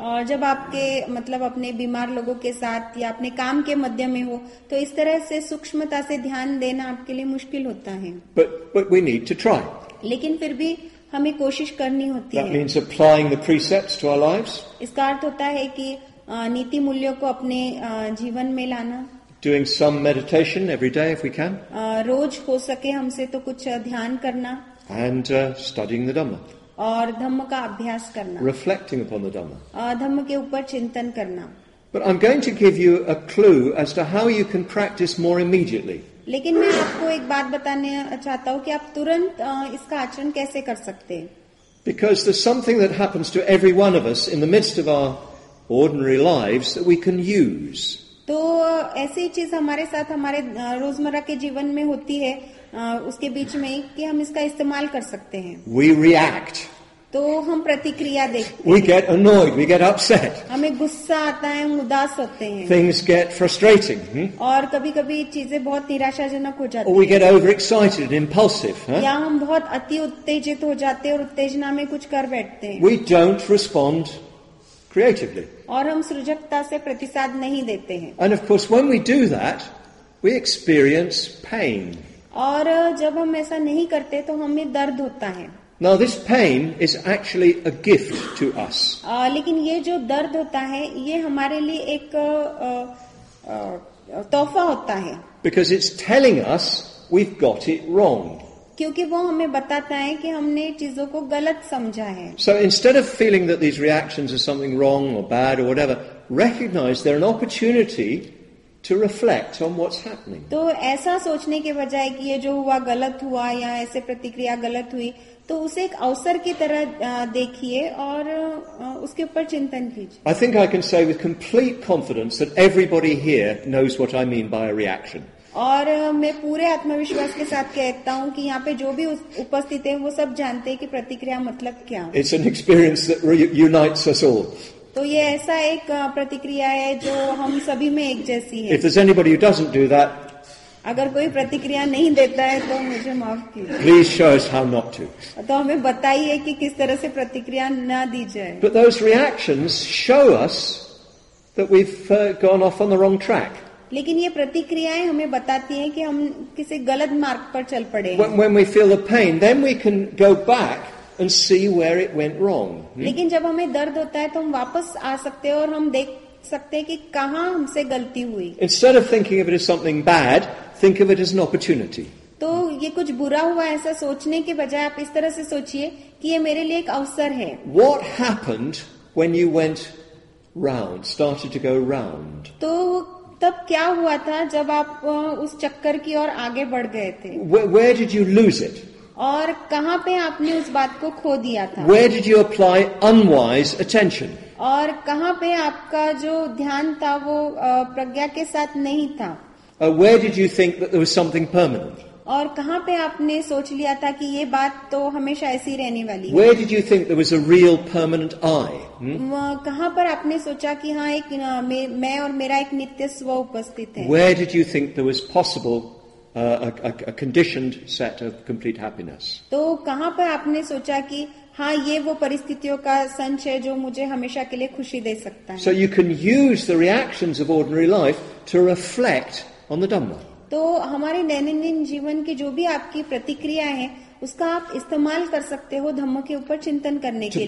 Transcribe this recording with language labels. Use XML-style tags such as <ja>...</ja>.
<hi>और जब आपके मतलब अपने बीमार लोगों के साथ या अपने काम के मध्य में हो तो इस तरह से सूक्ष्मता से ध्यान देना आपके लिए मुश्किल होता है.</hi> <en>But we need to try.</en> <hi>लेकिन फिर भी हमें कोशिश करनी होती है.</hi> <en>That means applying the precepts to our lives.</en> <hi>इसका अर्थ होता है कि नीति मूल्यों को अपने जीवन में लाना.</hi> <en>Doing some meditation every day if we can.</en> <hi>रोज हो सके हमसे तो कुछ ध्यान करना.</hi> <en>And studying the Dhamma.</en> <hi>और धम्म का अभ्यास करना.</hi> <en>Reflecting upon the Dhamma.</en> <hi>धम्म के ऊपर चिंतन करना.</hi> <en>But I'm going to give you a clue as to how you can practice more immediately.</en> <hi>लेकिन मैं आपको एक बात बताने चाहता हूँ कि आप तुरंत इसका आचरण कैसे कर सकते हैं.</hi> <en>Because there's something that happens to every one of us in the midst of our ordinary lives that we can use.</en> <hi>तो ऐसी चीज हमारे साथ हमारे रोजमर्रा के जीवन में होती है उसके बीच में कि हम इसका इस्तेमाल कर सकते हैं.</hi> <en>We react.</en> <hi>तो हम प्रतिक्रिया देते हैं.</hi> <en>We get annoyed. We get upset.</en> <hi>हमें गुस्सा आता है, हम उदास होते हैं.</hi> <en>Things get frustrating.</en> <hi>और कभी-कभी चीजें बहुत निराशाजनक हो जाती हैं.</hi> <en>We get overexcited and impulsive.</en> <hi>या हम बहुत अति उत्तेजित हो जाते हैं और उत्तेजना में कुछ कर बैठते हैं.</hi> <en>We don't respond creatively.</en> <hi>और हम सृजकता से प्रतिसाद नहीं देते हैं.</hi> <en>And of course, when we do that, we experience pain.</en> <hi>और जब हम ऐसा नहीं करते तो हमें दर्द होता है.</hi> <en>Now this pain is actually a gift to us.</en> <hi>लेकिन ये जो दर्द होता है ये हमारे लिए एक तोहफा होता है.</hi> <en>Because it's telling us we've got it wrong.</en> <hi>क्योंकि वो हमें बताता है कि हमने चीजों को गलत समझा है.</hi> <en>So instead of feeling that these reactions are something wrong or bad or whatever, recognize they're an opportunity to reflect on what's happening.</en> <hi>तो ऐसा सोचने के बजाय कि ये जो हुआ गलत हुआ या ऐसे प्रतिक्रिया गलत हुई, तो उसे एक अवसर की तरह देखिए और उसके ऊपर चिंतन कीजिए.</hi> <en>I think I can say with complete confidence that everybody here knows what I mean by a reaction.</en> <hi>और मैं पूरे आत्मविश्वास के साथ कहता हूँ कि यहाँ पे जो भी उपस्थित हैं वो सब जानते हैं कि प्रतिक्रिया मतलब क्या.</hi> <en>It's an experience that unites us all.</en> <hi>तो ये ऐसा एक प्रतिक्रिया है जो हम सभी में एक जैसी है.</hi> <en>If there's anybody who doesn't do that,</en> <hi>अगर कोई प्रतिक्रिया नहीं देता है तो मुझे माफ कीजिए.</hi> <en>Please show us how not to.</en> <hi>तो हमें बताइए कि किस तरह से प्रतिक्रिया ना दी जाए.</hi> <en>But those reactions show us that we've gone off on the wrong track.</en> <hi>लेकिन ये प्रतिक्रियाएं हमें बताती हैं कि हम किसी गलत मार्ग पर चल पड़े.</hi> <en>When we feel the pain, then we can go back and see where it went wrong.</en> <hi>लेकिन जब हमें दर्द होता है तो हम वापस आ सकते हैं और हम देख सकते हैं कि कहां हमसे गलती हुई.</hi> <en>Instead of thinking of it as something bad, think of it as an opportunity.</en> <hi>तो ये कुछ बुरा हुआ ऐसा सोचने के बजाय आप इस तरह से सोचिए कि ये मेरे लिए एक अवसर है.</hi> <en>What happened when you went round, started to go round?</en> <hi>तो तब क्या हुआ था जब आप उस चक्कर की ओर आगे बढ़ गए थे.</hi> <en>Where did you lose it?</en> <hi>और कहाँ पे आपने उस बात को खो दिया था.</hi> <en>Where did you apply unwise attention?</en> <hi>और कहाँ पे आपका जो ध्यान था वो प्रज्ञा के साथ नहीं था.</hi> <en>Where did you think that there was something permanent?</en> <hi>और कहाँ पे आपने सोच लिया था कि ये बात तो हमेशा ऐसी रहने वाली है.</hi> <en>Where did you think there was a real permanent I?</en> <hi>कहाँ पर आपने सोचा कि हाँ एक मैं और मेरा एक नित्य स्व उपस्थित है.</hi> <en>Where did you think there was possible a conditioned set of complete happiness?</en> <hi>तो कहाँ पर आपने सोचा कि हाँ ये वो परिस्थितियों का संच है जो मुझे हमेशा के लिए खुशी दे सकता है.</hi> <en>So you can use the reactions of ordinary life to reflect on the Dhamma.</en> <hi>तो हमारे दैनंदिन जीवन की जो भी आपकी प्रतिक्रिया है उसका आप इस्तेमाल कर सकते हो धम्म के ऊपर चिंतन करने के लिए.</hi>